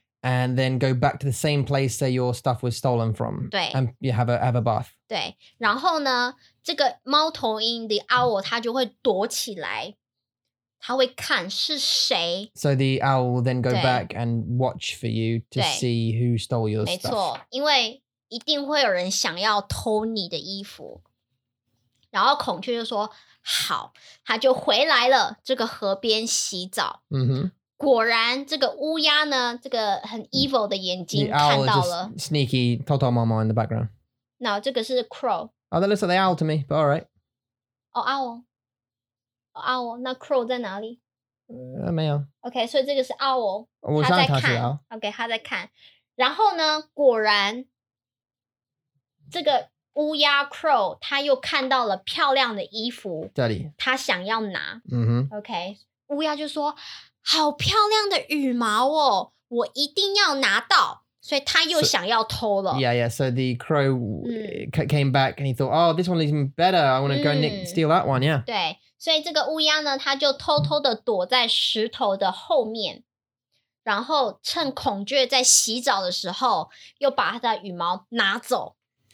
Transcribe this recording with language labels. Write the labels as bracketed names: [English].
[English] And then go back to the same place that your stuff was stolen from. [Chinese] 对 [English] And you have a bath. [Chinese] 对然后呢这个猫头鹰 the owl, 它就会躲起来它会看是谁 [English] So the owl will then go back and watch for you to see who stole your [Chinese] 没 [English] stuff. [Chinese] 没错因为一定会有人想要偷你的衣服。然后孔雀就说好它就回来了这个河边洗澡。嗯哼。果然这个乌鸦呢这个很 evil 的眼睛看到了 [English] sneaky 偷偷摸摸 in the background [Chinese] No 这个是 crow [English] Oh that looks like the owl to me but alright [Chinese] Oh owl 那 crow 在哪里、没有 OK 所以这个是 owl 我上他在看 OK 他在看然后呢果然这个乌鸦 crow 他又看到了漂亮的衣服 [English] Daddy [Chinese] 他想要拿、 mm-hmm. OK 乌鸦就说好漂亮的羽毛哦我一定要拿到所以他又想要偷了 [English] so, Yeah, so the crow、嗯、came back and he thought Oh, this one is even better I want to go、嗯、steal that one, yeah [Chinese] 对所以这个乌鸦呢他就偷偷的躲在石头的后面然后趁孔雀在洗澡的时候又把他的羽毛拿走 OK